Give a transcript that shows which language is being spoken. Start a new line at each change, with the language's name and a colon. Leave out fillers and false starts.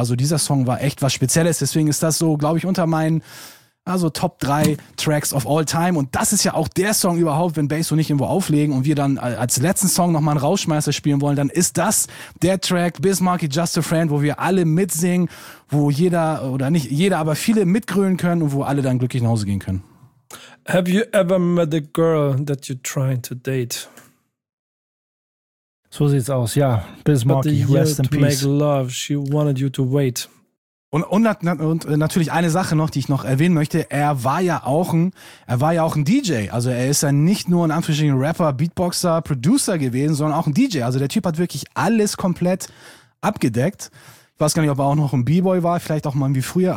German: Also dieser Song war echt was Spezielles, deswegen ist das so, glaube ich, unter meinen Top 3
English: Tracks of all time.
German: Und das ist ja auch der Song überhaupt, wenn Bass und ich irgendwo auflegen und wir dann als letzten Song nochmal einen Rausschmeißer spielen wollen, dann ist das der Track, Bismarcky, Just a Friend, wo wir alle mitsingen, wo jeder, oder nicht jeder, aber viele mitgrölen können und wo alle dann glücklich nach Hause gehen können.
English: Have you ever met a girl that you're trying to date?
German: So sieht's aus, ja. Bismarcky,
English: rest in peace. Make love, she wanted you to wait.
German: Und natürlich eine Sache noch, die ich noch erwähnen möchte. Er war ja auch ein DJ. Also er ist ja nicht nur ein Anführungsstrichen Rapper, Beatboxer, Producer gewesen, sondern auch ein DJ. Also der Typ hat wirklich alles komplett abgedeckt. Ich weiß gar nicht, ob er auch noch ein B-Boy war, vielleicht auch mal wie früher.